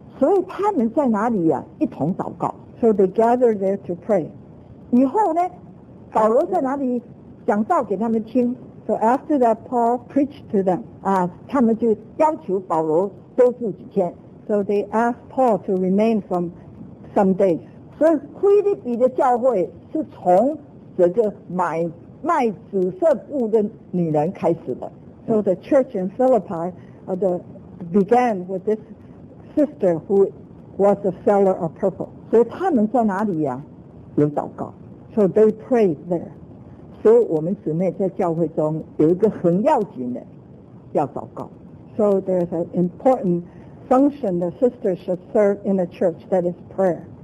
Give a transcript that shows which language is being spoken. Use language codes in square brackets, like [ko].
[zh] 所以他们在哪里呀、一同祷告。 [en] So they gathered there to pray. [zh] 以后呢保罗在哪里讲道给他们听。 [en] So after that, Paul preached to them. [zh] 啊他们就要求保罗多住几天。 [en] So they asked Paul to remain for some days. [zh] 所以腓立比的教会是从这个买卖紫色布的女人开始的。 [en] So the church in Philippi, began with this sister who was a seller of purple. [zh] 所以他们在哪里呀、有祷告。 [en] So they prayed there. [zh] 所以我们姊妹在教会中有一个很要紧的要祷告。 [en] So there's an important function the sister should serve in a church, that is prayer.